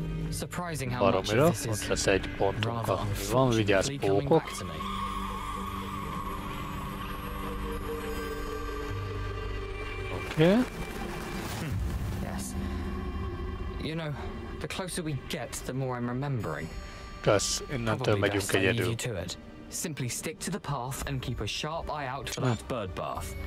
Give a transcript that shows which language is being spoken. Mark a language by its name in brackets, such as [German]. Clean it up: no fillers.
[English] Surprising how much of this is rather unfortunately coming back to me. Okay. Yes. You know. The closer we get, the more I'm remembering. [Hungarian] Kösz, innentől megyünk egyedül. [English] Simply stick to the path and keep a sharp eye out for that bird bath.